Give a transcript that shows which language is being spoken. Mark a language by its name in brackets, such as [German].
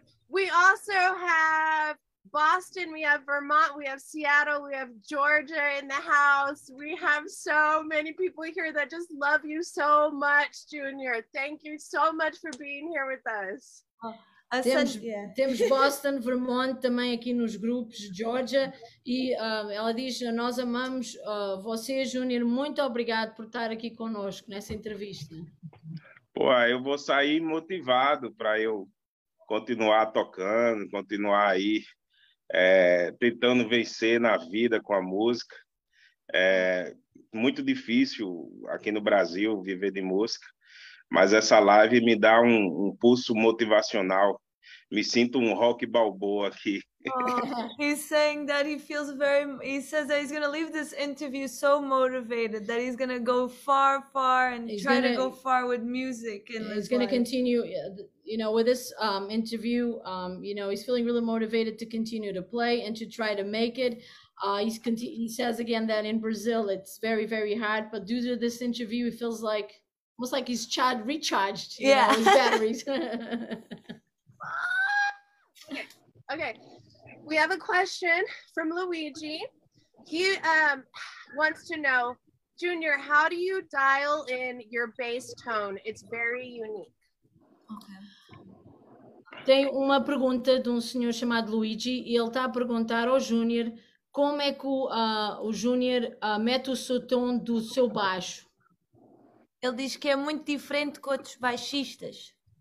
[English] We also have Boston, we have Vermont, we have Seattle, we have Georgia in the house. We have so many people here that just love you so much, Junior. Thank you so much for being here with us. [Portuguese] Temos Boston, Vermont também aqui nos grupos, Georgia, e ela diz: Nós amamos você, Júnior. Muito obrigado por estar aqui conosco nessa entrevista. Pô, eu vou sair motivado para eu continuar tocando, continuar aí, tentando vencer na vida com a música. Muito difícil aqui no Brasil viver de música, mas essa live me dá um pulso motivacional. Me sinto um rock balboa aqui. [English] Oh, he's saying that he feels very, he says that he's going to leave this interview so motivated that he's going to go far, far and he's try gonna, to go far with music. And he's going to continue, you know, with this interview, you know, he's feeling really motivated to continue to play and to try to make it. He says again that in Brazil, it's very, very hard, but due to this interview, it feels like, almost like he's charged, recharged, you know, his batteries. Okay. We have a question from Luigi. He wants to know, Junior, how do you dial in your bass tone? It's very unique. Okay. [Portuguese] Tem uma pergunta de um senhor chamado Luigi e ele está a perguntar ao Junior como é que o Junior mete o seu tom do seu baixo. Ele diz que é muito diferente com outros baixistas.